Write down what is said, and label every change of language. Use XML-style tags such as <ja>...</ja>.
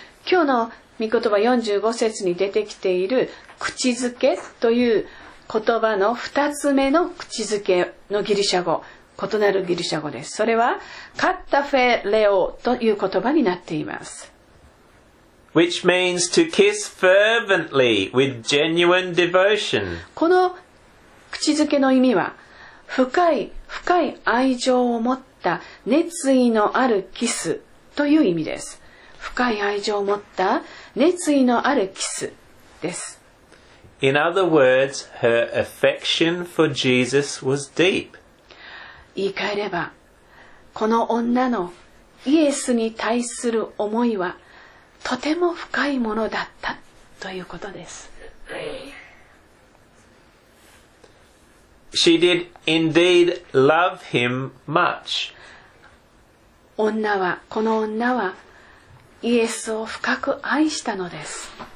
<ja>今日の御言葉45節に出てきている口づけという言葉の二つ目の口づけのギリシャ語。異なるギリシャ語です。それはカッタフェレオという言葉になっています。</ja> <en>Which means to kiss fervently with genuine devotion.</en> <ja>この口づけの意味は深い愛情を持った熱意のあるキスという意味です。深い愛情を持った熱意のあるキスです。</ja> <en>In other words, her affection for Jesus was deep.</en> <ja>言い換えれば、この女のイエスに対する思いはとても深いものだったということです。</ja> <en>She did indeed love him much.</en> <ja>女は、この女はイエスを深く愛したのです。</ja>